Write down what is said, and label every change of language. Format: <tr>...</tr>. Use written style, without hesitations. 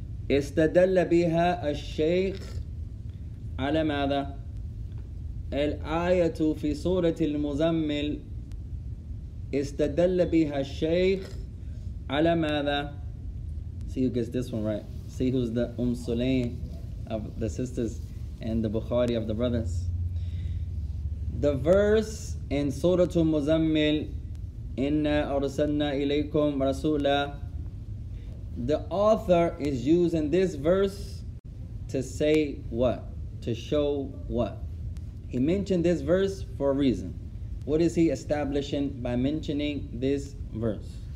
<ar>استدل بها الشيخ على ماذا؟ الآية في سورة المزمل استدل بها الشيخ على ماذا؟</ar> <en>See who gets this one right. See who's the Sulaym of the sisters and the Bukhari of the brothers. The verse in سورة المزمل</en> <ar>إنا أرسلنا إليكم رسولا.</ar> <en>The author is using this verse to say what? To show what? He mentioned this verse for a reason. What is he establishing by mentioning this verse?</en>